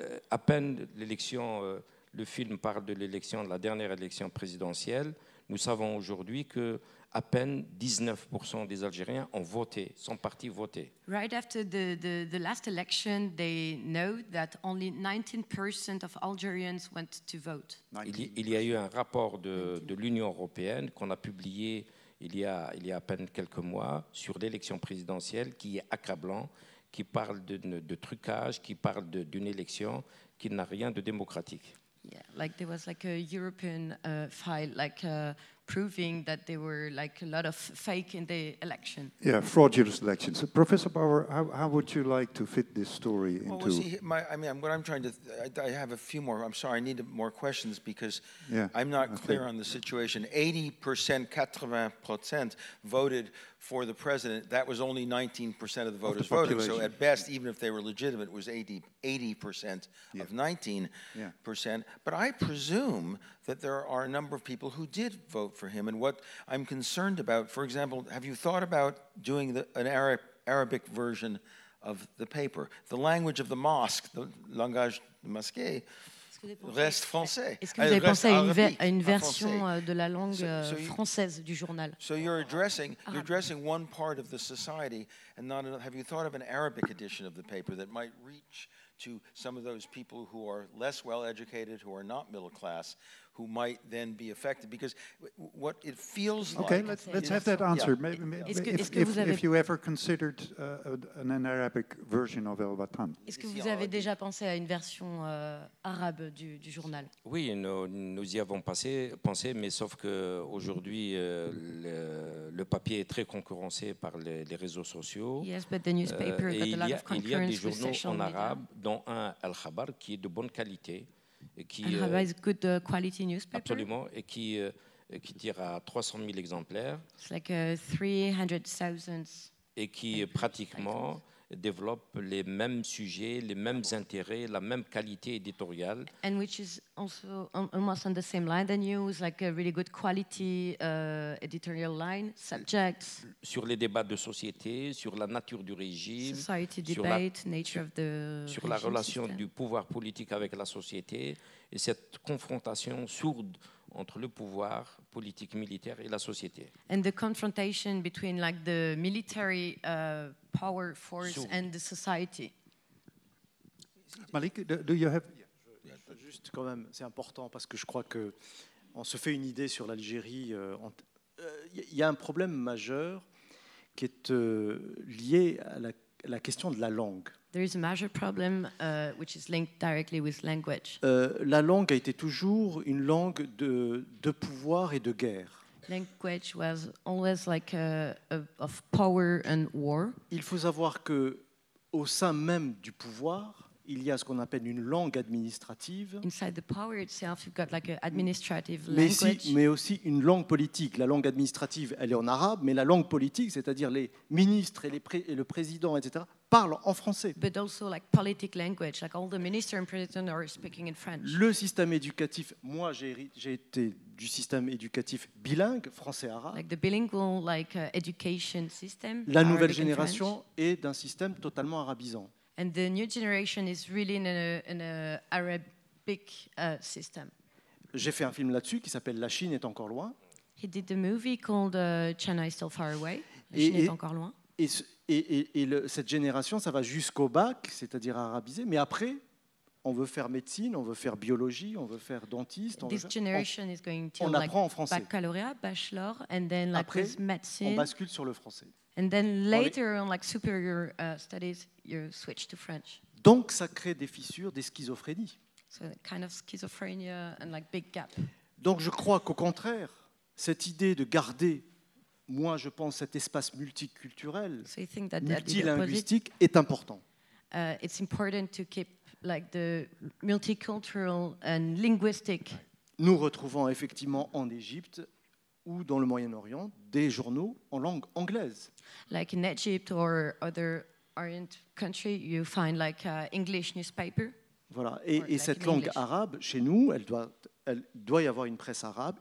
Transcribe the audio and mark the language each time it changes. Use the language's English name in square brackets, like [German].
[French] À peine l'élection, le film parle de l'élection, de la dernière élection présidentielle, nous savons aujourd'hui que à peine 19% des Algériens ont voté, sont partis voter. [English] Right after the last election, they know that only 19% of Algerians went to vote. [French] Il y a eu un rapport de l'Union européenne qu'on a publié il y a à peine quelques mois sur l'élection présidentielle qui est accablant, qui parle de trucage, qui parle d'une élection qui n'a rien de démocratique. [English] Yeah, like there was like a European file, like proving that there were like a lot of fake in the election. Yeah, fraudulent elections. So Professor Bauer, how would you like to fit this story into? Well, what I'm trying to. I have a few more. I'm sorry, I need more questions because I'm not clear on the situation. 80% voted for the president. That was only 19% of the voters voting. So at best, even if they were legitimate, it was 80% of 19%. But I presume that there are a number of people who did vote for him. And what I'm concerned about, for example, have you thought about doing an Arabic version of the paper? The language of the mosque, the [French] langage de mosquée, reste français. Est-ce que vous avez pensé à une version de la langue française du journal? [English] So you're addressing one part of the society, and not another. Have you thought of an Arabic edition of the paper that might reach to some of those people who are less well-educated, who are not middle class, who might then be affected. Because what it feels okay, like... Okay, let's have that answer. Yeah. Maybe, if you ever considered an Arabic version of El Watan. [French] Est-ce que vous avez déjà pensé à une version arabe du journal? Oui, nous y avons pensé, mais sauf qu'aujourd'hui, le papier est très concurrencé par les réseaux sociaux. [English] Yes, but the newspaper got a lot of concurrence. [French] Il y a des journaux en arabe, dont un Al Khabar, qui est de bonne qualité. [English] Al-Khabar is a good quality newspaper. [French] Absolument, et qui tire à 300 000 exemplaires. [English] It's like 300,000. [French] Et qui pratiquement développe les mêmes sujets, les mêmes intérêts, la même qualité éditoriale. [English] And which is also almost on the same line than you, it's like a really good quality editorial line, subjects. [French] Sur les débats de société, sur la nature du régime. [English] Society debate, nature of the regime. [French] Sur la relation du pouvoir politique avec la société et cette confrontation sourde entre le pouvoir politique militaire et la société. [English] And the confrontation between like the military power force and the society. Malik, do you have... [French] Juste quand même, c'est important parce que je crois que on se fait une idée sur l'Algérie. Il y a un problème majeur qui est lié à la question de la langue. [English] There is a major problem which is linked directly with language. [French] La langue a été toujours une langue de pouvoir et de guerre. [English] Language was always like of power and war. [French] Il faut savoir que au sein même du pouvoir, il y a ce qu'on appelle une langue administrative. [English] Inside the power itself, you've got like an administrative [French] mais [English] language. [French] Mais aussi une langue politique. La langue administrative, elle est en arabe, mais la langue politique, c'est-à-dire les ministres et le président, etc. parle en français. [English] But also like politic language, like all the minister and president are speaking in French. [French] Le système éducatif, moi j'ai été du système éducatif bilingue, français-arabe. [English] Like the bilingual like education system. [French] La nouvelle génération est d'un système totalement arabisant. [English] And the new generation is really in a Arabic system. [French] J'ai fait un film là-dessus qui s'appelle La Chine est encore loin. [English] He did a movie called China is still far away. La Chine est encore loin. [French] Cette génération, ça va jusqu'au bac, c'est-à-dire arabisé. Mais après, on veut faire médecine, on veut faire biologie, on veut faire dentiste. On apprend en français. [English] Baccalauréat, bachelor, and then like [French] après, médecine. On bascule sur le français. [English] And then later on like superior studies, you switch to French. [French] Donc, ça crée des fissures, des schizophrénies. [English] So kind of schizophrenia and like big gap. [French] Donc, je crois qu'au contraire, cette idée de garder moi, je pense cet espace multiculturel, [English] so [French] multilinguistique, est important. [English] It's important to keep like the multicultural and linguistic. [French] Nous retrouvons effectivement en Égypte ou dans le Moyen-Orient des journaux en langue anglaise. [English] Like in Egypt or other Orient country, you find like English newspaper. [French] Voilà. Et like cette langue English. Arabe, chez nous, elle doit y avoir une presse arabe.